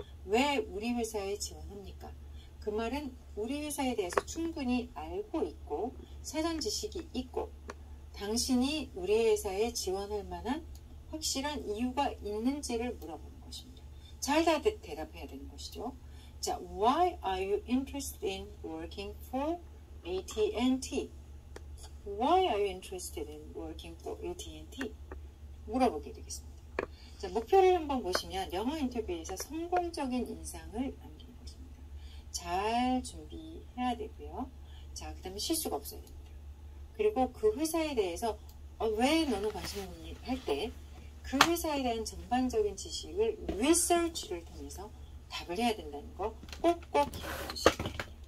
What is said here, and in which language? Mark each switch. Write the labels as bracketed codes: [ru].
[ko] 왜 우리 회사에 지원합니까? 그 말은 우리 회사에 대해서 충분히 알고 있고 사전 지식이 있고 당신이 우리 회사에 지원할 만한 확실한 이유가 있는지를 물어보는 것입니다. 잘 대답해야 되는 것이죠. [en] 자, Why are you interested in working for AT&T? Why are you interested in working for AT&T? [ko] 물어보게 되겠습니다. 자, 목표를 한번 보시면 영어 인터뷰에서 성공적인 인상을 남기는 것입니다. 잘 준비해야 되고요. 자, 그다음에 실수가 없어야 됩니다. 그리고 그 회사에 대해서 왜 너는 관심이 할때그 회사에 대한 전반적인 지식을 리서치를 통해서 답을 해야 된다는 거 꼭꼭 기억해 주시기 바랍니다.